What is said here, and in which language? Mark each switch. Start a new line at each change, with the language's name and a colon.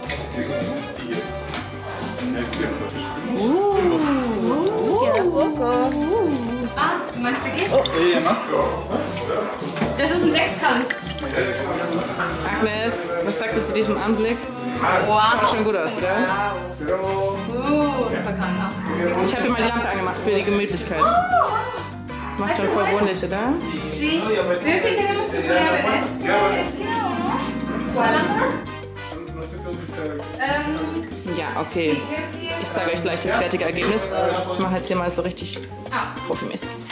German: Das ist ein Sechskant. Agnes, was sagst du zu diesem Anblick? Wow. Das schaut schon gut aus, oder? Wow. Ich habe hier mal die Lampe angemacht für die Gemütlichkeit. Das macht schon voll wohnlich, oder?
Spanish: Sí. Creo que tenemos que poner esta, esta o no? ¿Su lámpara? No sé dónde está.
German: Ja, okay. Ich sage euch gleich das fertige Ergebnis. Ich mache jetzt hier mal so richtig profimäßig.